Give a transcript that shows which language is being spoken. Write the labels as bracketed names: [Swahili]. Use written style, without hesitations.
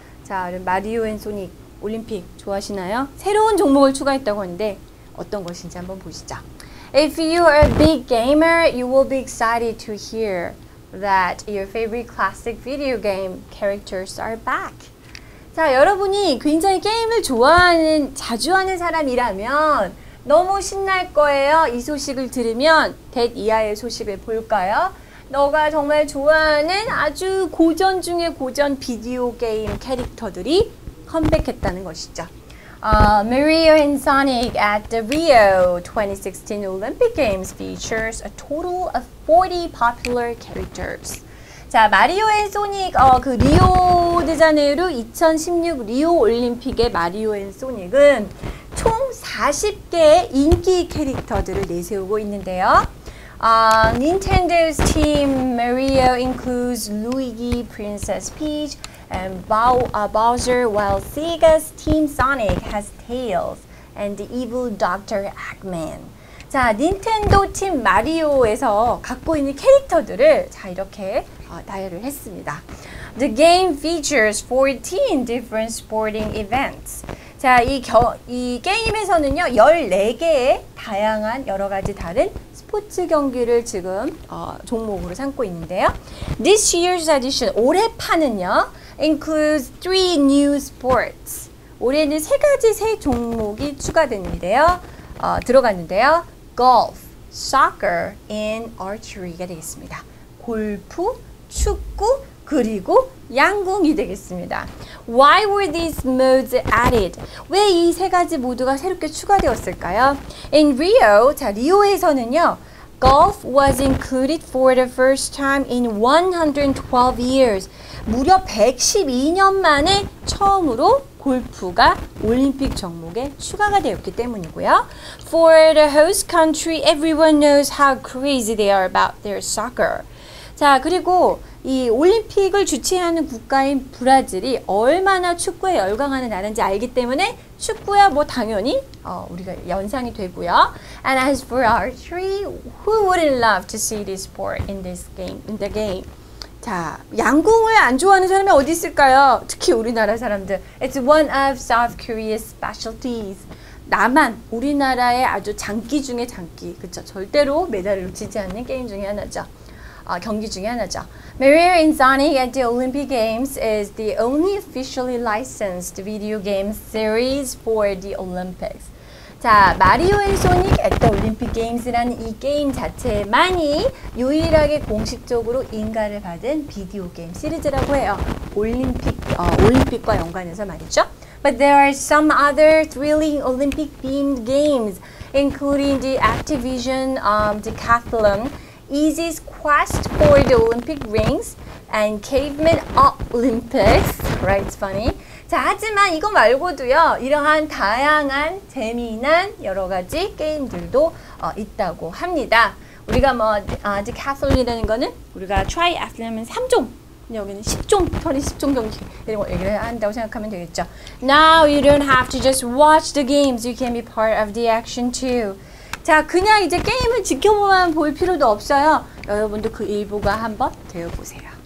[Korean] 자, 마리오 앤 소닉 올림픽 좋아하시나요? 새로운 종목을 추가했다고 하는데 어떤 것인지 한번 보시죠. [English] If you are a big gamer, you will be excited to hear that your favorite classic video game characters are back. [Korean] 자, 여러분이 굉장히 게임을 좋아하는, 자주 하는 사람이라면 너무 신날 거예요. 이 소식을 들으면 댓 이하의 소식을 볼까요? 너가 정말 좋아하는 아주 고전 중에 고전 비디오 게임 캐릭터들이 컴백했다는 것이죠. [English] Mario and Sonic at the Rio 2016 Olympic Games features a total of 40 popular characters. [Korean] 자, 마리오 앤 소닉 그 리오 데자네이루 2016 리오 올림픽의 마리오 앤 소닉은 총 40개의 인기 캐릭터들을 내세우고 있는데요. [English] Nintendo's team Mario includes Luigi, Princess Peach, and Bowser, while Sega's Team Sonic has Tails and the evil Dr. Eggman. [Korean] 자, 닌텐도 팀 마리오에서 갖고 있는 캐릭터들을 자 이렇게 나열을 했습니다. [English] The game features 14 different sporting events. [Korean] 자, 이 게임에서는요, 14개의 다양한 여러 가지 다른 스포츠 경기를 지금 종목으로 삼고 있는데요. [English] This year's edition, [Korean] 올해 판은요, [English] includes 3 new sports. [Korean] 올해는 세 가지 새 종목이 추가됐는데요. 들어갔는데요. [English] Golf, soccer, and archery가 [Korean] 되겠습니다. 골프, 축구, 그리고 양궁이 되겠습니다. [English] Why were these modes added? [Korean] 왜 이 세 가지 모두가 새롭게 추가되었을까요? [English] In Rio, [Korean] 자, 리오에서는요, [English] golf was included for the first time in 112 years. [Korean] 무려 112년 만에 처음으로 골프가 올림픽 종목에 추가가 되었기 때문이고요. [English] For the host country, everyone knows how crazy they are about their soccer. [Korean] 자, 그리고 이 올림픽을 주최하는 국가인 브라질이 얼마나 축구에 열광하는 나라인지 알기 때문에 축구야 뭐 당연히 우리가 연상이 되고요. [English] And as for archery, who wouldn't love to see this sport in this game, in the game? [Korean] 자, 양궁을 안 좋아하는 사람이 어디 있을까요? 특히 우리나라 사람들. [English] It's one of South Korea's specialties. [Korean] 남한, 우리나라의 아주 장기 중에 장기. 그렇죠? 절대로 메달을 놓치지 않는 게임 중에 하나죠. 경기 중에 하나죠. [English] Mario and Sonic at the Olympic Games is the only officially licensed video game series for the Olympics. [Korean] 자, 마리오 앤 소닉 at the Olympic Games라는 이 게임 자체만이 유일하게 공식적으로 인가를 받은 비디오 게임 시리즈라고 해요. 올림픽과 연관해서 말이죠. [English] But there are some other thrilling Olympic-themed games, including the Activision Decathlon, Easy's Quest for the Olympic Rings and Caveman Olympics, right? It's funny. [Korean] 자, 하지만 이거 말고도요, 이러한 다양한 재미난 여러 가지 게임들도 있다고 합니다. 우리가 뭐 Decathlon이라는 거는 우리가 Triathlon은 3종, 근데 여기는 10종, 10종 경기 이런 거 얘기를 한다고 생각하면 되겠죠. [English] Now you don't have to just watch the games. You can be part of the action too. [Korean] 자, 그냥 이제 게임을 지켜보면 볼 필요도 없어요. 여러분도 그 일부가 한번 되어보세요.